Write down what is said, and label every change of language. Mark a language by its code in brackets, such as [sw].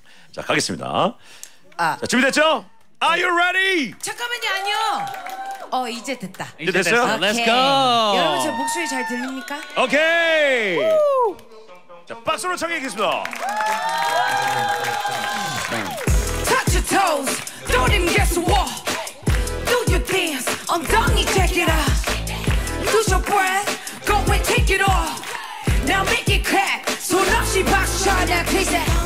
[ko] 자 가겠습니다 아. 자, 준비됐죠? [en] Are you ready? [ko] 잠깐만요, 아니요. 이제 됐다. 이제 됐어요? [en] Okay. Let's go. [ko] 여러분 제 목소리 잘 들립니까? [en] 오케이. Okay. [ko] 자, 박수로 청해주겠습니다. [en] Touch your toes, don't even guess what. Do your dance, 엉덩이 check it out. Lose your breath, go and take it off. Now make it clap, [ko] 손 없이 박수 쳐야 돼.